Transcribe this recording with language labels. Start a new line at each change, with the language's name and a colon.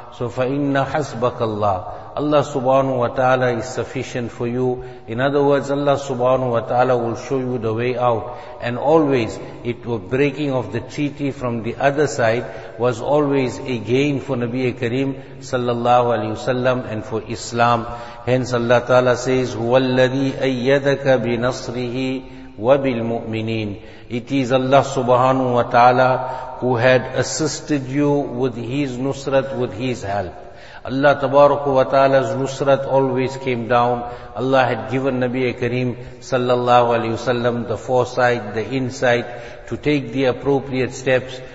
English: So
Arabic: فَإِنَّ حَسْبَكَ اللَّهِ,
English: Allah subhanahu wa ta'ala is sufficient for you. In other words, Allah subhanahu wa ta'ala will show you the way out. And always, it was breaking of the treaty from the other side was always a gain for Nabi Kareem sallallahu alayhi wa sallam and for Islam. Hence Allah ta'ala says,
Arabic: هُوَ الَّذِي أَيَّدَكَ بِنَصْرِهِ وَبِالْمُؤْمِنِينَ.
English: It is Allah subhanahu wa ta'ala who had assisted you with His nusrat, with His help. Allah tabaraka wa ta'ala's nusrat always came down. Allah had given Nabi Kareem sallallahu alayhi wa sallam the foresight, the insight to take the appropriate steps.